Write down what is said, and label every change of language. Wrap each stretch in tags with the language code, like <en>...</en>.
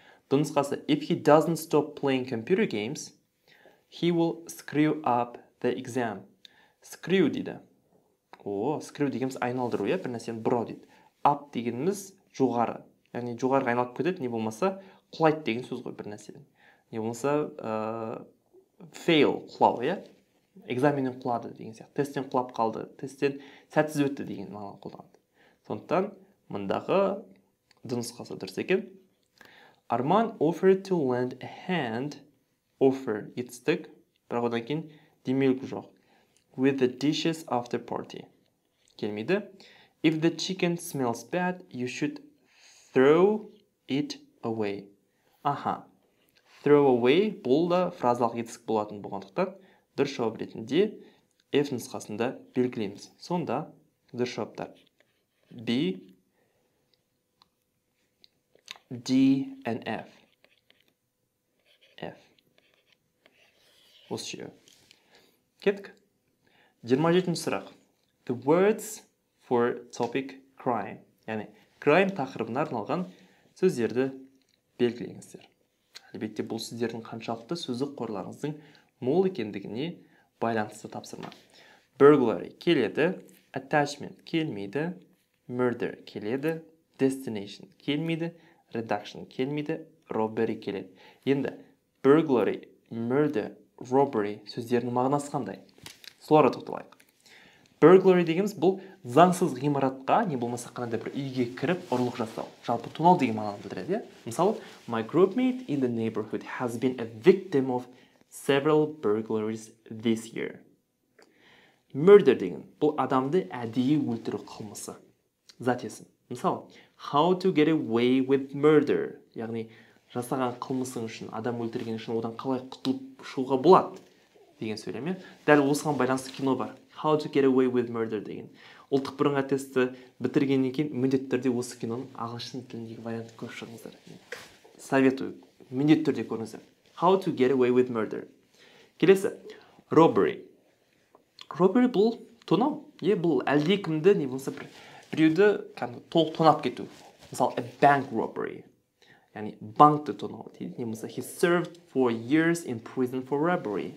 <kk>Дұрысқасы,</kk> <en>if he doesn't stop playing computer games, he will screw up the exam.</en> <kk>Screw дейді. Screw дегеніміз айналдыру, бір нәрсені бұрау дейді. Up дегеніміз жоғары. Яғни жоғарыға айналып кетеді, не болмаса құлайды деген сөз ғой бір нәрсенің. Не болмаса fail құлау, экзаменнен құлады деген сияқты, тесттен құлап қалды, тесттен сәтсіз өтті деген мағынаны қолданады. Сондықтан мындағы дұрысқасы дұрыс екен. Арман</kk> <en>offered to lend a hand,</en> <kk>offer етістік, бірақ одан кейін демеулік жоқ.</kk> <en>With the dishes after party.</en> <kk>Келмейді.</kk> <en>If the chicken smells bad, you should throw it away. Аха.</en> <kk>Throw away бұл да фразалық етістік болатын болғандықтан дұрыс жауап ретінде F нұсқасында белгілейміз. Сонда дұрыс жауаптар B, D and F. F. Осы жүйе. Кеттік. 27-ші сұрақ.</kk> <en>The words for topic crime.</en> <kk>Яғни, crime тақырыбына арналған сөздерді белгілеңіздер. Әлбетте, бұл сөздердің қаншалықты сөздік қорларыңыздың мол екендігіне байланысты тапсырма. Burglary келеді, attachment келмейді, murder келеді, destination келмейді, reduction келмейді, robbery келеді. Енді burglary, murder, robbery сөздерінің мағынасы қандай? Соларға тоқталайық. Burglary дегеніміз бұл заңсыз ғимаратқа, не болмаса қандай бір үйге кіріп ұрлық жасау. Жалпы тонау деген мағынаны білдіреді. Мысалы,</kk> <en>my groupmate in the neighborhood has been a victim of several burglaries this year.</en> <kk>Murder деген, бұл адамды әдейі өлтіру қылмысы. Зат есім. Мысалы,</kk> <en>how to get away with murder?</en> <kk>Яғни, жасаған қылмысың үшін, адам өлтірген үшін одан қалай құтылып шығуға болады деген сөйлеме. Дәл осыған байланысты кино бар.</kk> <en>How to get away with murder</en> <kk>деген. Ұлттық бірыңғай тестті бітіргеннен кейін міндетті түрде осы киноның ағылшын тіліндегі вариантын көріп шығыңыздар.</kk> <ru>Советую.</ru> <kk>Міндетті түрде көріңіздер.</kk> <en>How to get away with murder.</en> <kk>Келесі, robbery. Robbery бұл тонау. Бұл әлде кімді, не болса біреуді толық тонап кету. Мысалы,</kk> <en>a bank robbery.</en> <kk>Яғни, банкті тонау. Не болса,</kk> <en>he served for years in prison for robbery.</en>